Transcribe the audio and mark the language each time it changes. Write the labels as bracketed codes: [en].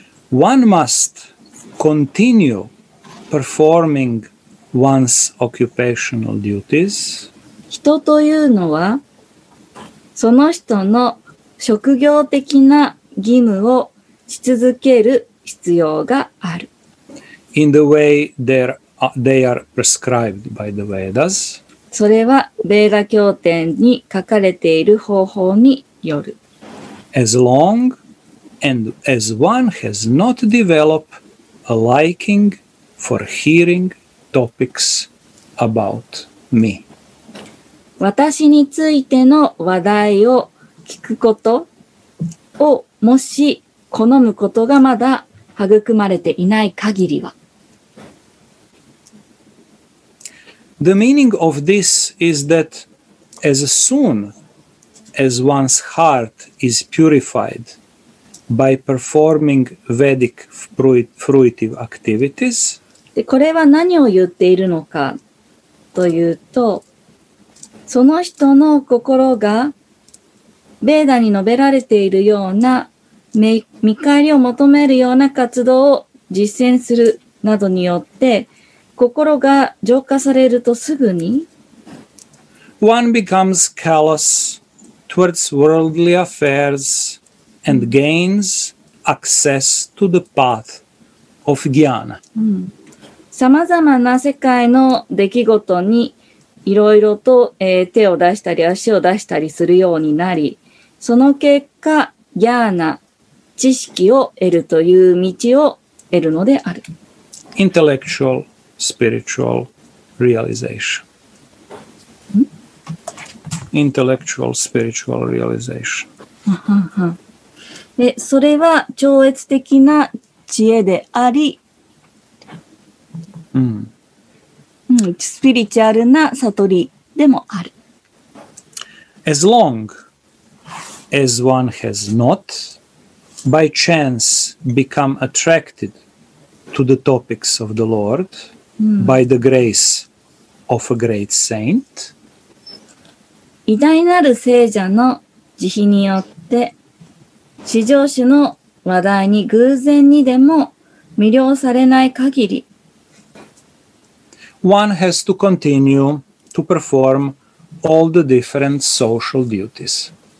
[en] One must continue performing one's occupational duties。 [ja] 人というのはその人の職業的な義務をし続ける必要がある。 [en] In the way they are prescribed by the Vedas. [ja] それはベーダ経典に書かれている方法による。 [en] As long and as one has not developed a liking for hearing topics about me. [ja] 私についての話題を聞くことをもし好むことがまだ育まれていない限りは。 [en] The meaning of this is that as soon as one's heart is purified by performing Vedic fruitive activities, [ja] でこれは何を言っているのかというと、その人の心がベーダに述べられているような見返りを求めるような活動を実践するなどによって心が浄化されるとすぐに [en] One becomes callous towards worldly affairs and gains access to the path of jnana. [ja] さまざまな世界の出来事にいろいろと、手を出したり足を出したりするようになり、その結果、ギャーナ、知識を得るという道を得るのである。 [en] Intellectual, spiritual realization. Intellectual, spiritual realization. [ja] で、それは超越的な知恵であり、スピリチュアルな悟りでもある。 [en] As long as one has not, by chance, become attracted to the topics of the Lord, by the grace of a great saint, [ja] 偉大なる聖者の慈悲によって、至上主の話題に偶然にでも魅了されない限り、 [en] One has to continue to perform all the different social duties.